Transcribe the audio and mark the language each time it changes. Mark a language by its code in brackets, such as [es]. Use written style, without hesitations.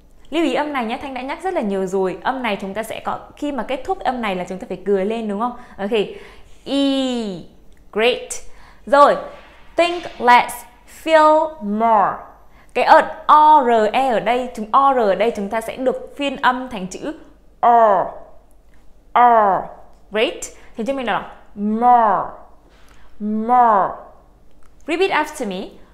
[vi] Lưu ý âm này nhé, Thanh đã nhắc rất là nhiều rồi. Âm này chúng ta sẽ có, khi mà kết thúc âm này là chúng ta phải cười lên đúng không? [en] Ok, E, great. Rồi, think less, feel more. [vi] Cái ở ore ở đây, chúng ta sẽ được phiên âm thành chữ or. Great. Thì chúng mình đọc more. [en] Repeat after me.